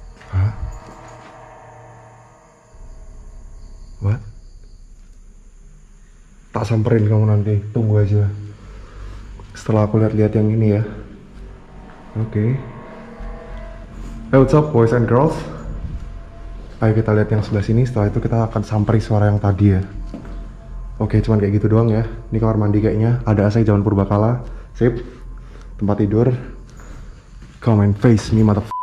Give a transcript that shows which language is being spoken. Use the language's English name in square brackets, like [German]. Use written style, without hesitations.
[English] Hah? What? [Indonesian] Tak samperin kamu nanti, tunggu aja. Setelah aku lihat-lihat yang ini ya. Oke. [English] Okay. Hey, what's up boys and girls? [Indonesian] Ayo kita lihat yang sebelah sini, setelah itu kita akan samperin suara yang tadi ya. Oke, okay, cuman kayak gitu doang ya. Ini kamar mandi kayaknya. Ada AC jaman purbakala. Sip. Tempat tidur. [English] Come and face me, mother.